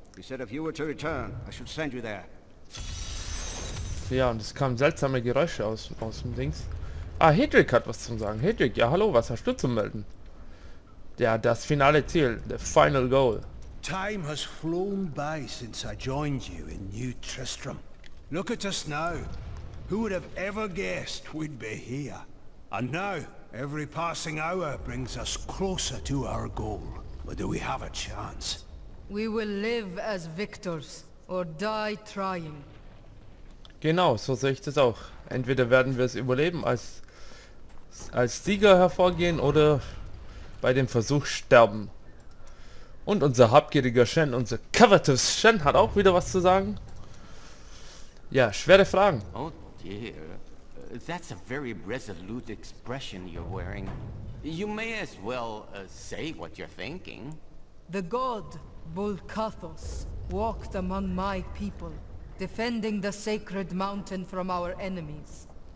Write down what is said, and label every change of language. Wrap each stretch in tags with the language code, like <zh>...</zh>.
<en>He said if you were to return, I should send you there.</en> <de>Ja, und es kamen seltsame Geräusche aus dem Dings. Ah, Hedrick hat was zu sagen. Hedrick, ja hallo, was hast du zu melden? Ja, das finale Ziel,</de> <en>the final goal. Time has flown by since I joined you in New Tristram. Look at us now. Who would have ever guessed we'd be here? And now, every passing hour brings us closer to our goal. But do we have a chance? We will live as victors or die trying.</en> <de>Genau, so sehe ich das auch. Entweder werden wir es überleben, als Sieger hervorgehen oder bei dem Versuch sterben. Und unser habgieriger Shen, unser covetous Shen, hat auch wieder was zu sagen. Ja, schwere Fragen.</de> <en>Oh dear, that's a very resolute expression you're wearing. You may as well say what you're thinking. The god, Bul'Kathos, walked among my people, defending the sacred mountain from our enemies.</en>